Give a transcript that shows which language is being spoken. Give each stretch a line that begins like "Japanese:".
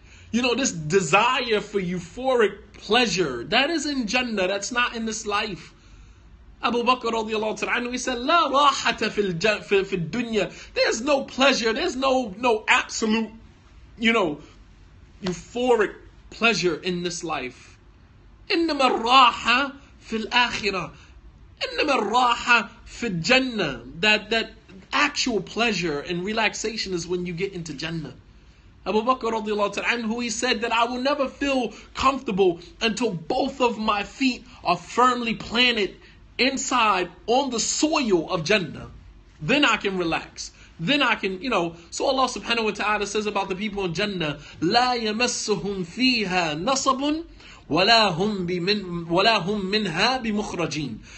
English: You know, this desire for euphoric pleasure. That is in Jannah. That's not in this life. Abu Bakr radiallahu ta'ala anhu, he said,
Arabic: La rahata fil dunya.
English: There's no pleasure. There's no absolute, you know, euphoric pleasure in this life.
Arabic: إنما الراحة في الآخرة إنما الراحة في الجنة.
English: That actual pleasure and relaxation is when you get into Jannah. Abu Bakr radiallahu ta'ala anhu, he said that I will never feel comfortable until both of my feet are firmly planted inside on the soil of Jannah. Then I can relax. Then I can, you know, so Allah subhanahu wa ta'ala says about the people in Jannah,
Arabic: لا يمسهم فيها نصب وَلَا هُمْ مِنْهَا بِمُخْرَجِينَ.